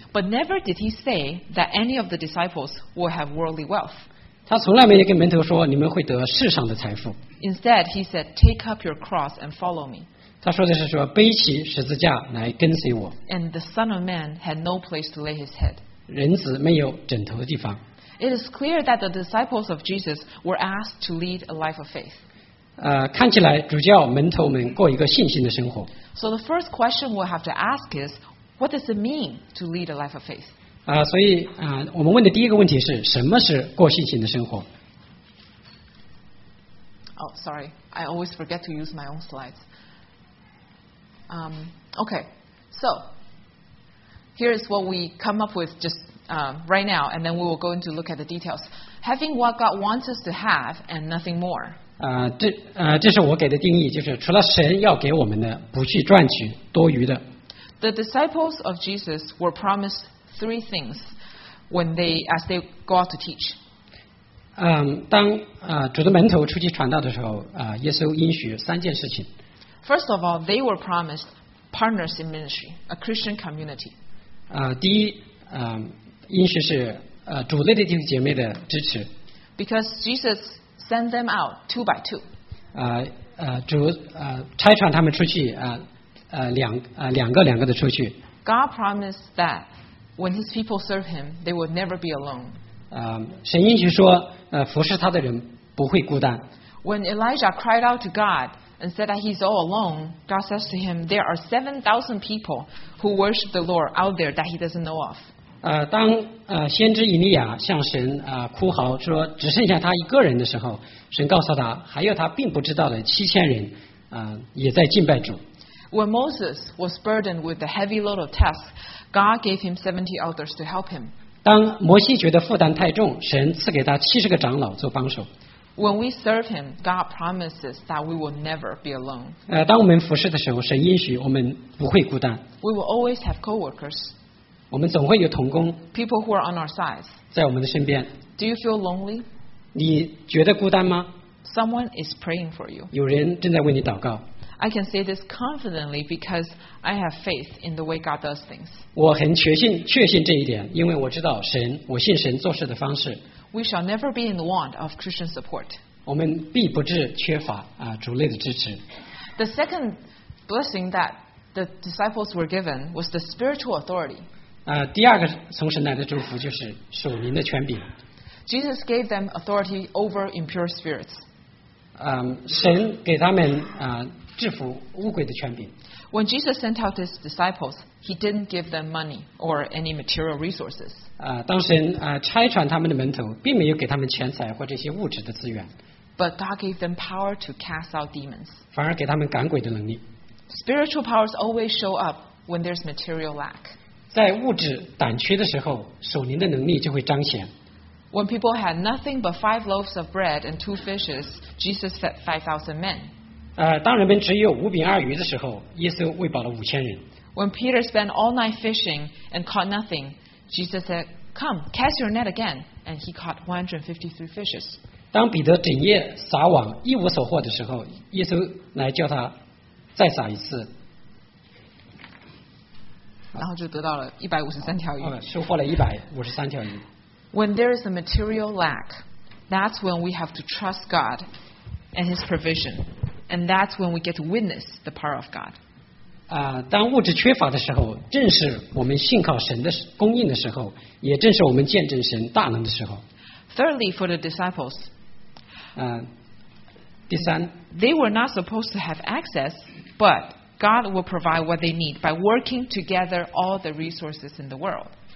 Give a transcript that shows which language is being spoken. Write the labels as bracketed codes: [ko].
[en] But never did he say that any of the disciples will have worldly wealth. [zh] 他从来没有跟门徒说，你们会得世上的财富。 [en] Instead, he said, "Take up your cross and follow me." [zh] 他说的是说，背起十字架来跟随我。 [en] And the Son of Man had no place to lay his head. [zh] 人子没有枕头的地方。 [en] It is clear that the disciples of Jesus were asked to lead a life of faith. [zh] 看起来主教门徒们过一个信心的生活。 [en] So the first question we'll have to ask is, what does it mean to lead a life of faith? [zh] 所以我们问的第一个问题是，什么是过信心的生活？ [en] Oh, sorry, I always forget to use my own slides. Okay, so here is what we come up with justright now, and then we will go into look at the details. Having what God wants us to have and nothing more. [zh] 这是我给的定义，就是除了神要给我们的，不去赚取多余的。 [en] The disciples of Jesus were promised three things when they as they go out to teach. [zh] 当主的门徒出去传道的时候，耶稣应许三件事情。 [en] First of all, they were promised partners in ministry, a Christian community. [zh] 第一，应许是主内的弟兄姐妹的支持。 [en] Because Jesus sent them out two by two. [zh] 主差传他们出去两个两个的出去。 [en] God promised that when His people serve Him, they would never be alone. [zh] 神应许说服侍他的人不会孤单。 [en] When Elijah cried out to God and said that he's all alone, God says to him, "There are 7,000 people who worship the Lord out there that he doesn't know of." [zh] 当先知以利亚向神哭嚎说只剩下他一个人的时候，神告诉他还有他并不知道的7000人也在敬拜主。 [en] When Moses was burdened with the heavy load of tasks, God gave him 70 elders to help him. [zh] 当摩西觉得负担太重，神赐给他70个长老做帮手。 [en] When we serve him, God promises that we will never be alone. [zh] 当我们服侍的时候，神应许我们不会孤单。 [en] We will always have co-workers. [zh] 我们总会有同工 [en] people who are on our side [zh] 在我们的身边。 [en] Do you feel lonely? [zh] 你觉得孤单吗？ [en] Someone is praying for you. [zh] 有人正在为你祷告。 [en] I can say this confidently because I have faith in the way God does things. [zh] 我很确信这一点，因为我知道神，我信神做事的方式。 [en] We shall never be in the want of Christian support. [zh] 我们必不至缺乏主内的支持。 [en] The second blessing that the disciples were given was the spiritual authority. [zh] 第二个从神来的祝福就是属灵的权柄。 [en] Jesus gave them authority over impure spirits. [zh] 神给他们制服污鬼的权柄。 [en] When Jesus sent out his disciples, he didn't give them money or any material resources. [zh] 当神差传他们的门徒，并没有给他们钱财或这些物质的资源。 [en] But God gave them power to cast out demons. [zh] 反而给他们赶鬼的能力。 [en] Spiritual powers always show up when there's material lack. [zh] 在物质短缺的时候，属灵的能力就会彰显。 [en] When people had nothing but 5 loaves of bread and 2 fishes, Jesus fed 5,000 men. [zh] 当人们只有五饼二鱼的时候，耶稣喂饱了5000人。 [en] When Peter spent all night fishing and caught nothing, Jesus said, "Come, cast your net again," and he caught 153 fishes. [zh] 当彼得整夜撒网一无所获的时候，耶稣来叫他再撒一次。然后就得到了153条鱼，收获了153条鱼。 [en] When there is a material lack, that's when we have to trust God and His provision, and that's when we get to witness the power of God. [zh] 当物质缺乏的时候，正是我们信靠神的供应的时候，也正是我们见证神大能的时候。 [en] Thirdly, for the disciples, [zh] 第三 [en] ，they were not supposed to have access, but God will provide what they need by working together all the resources in the world.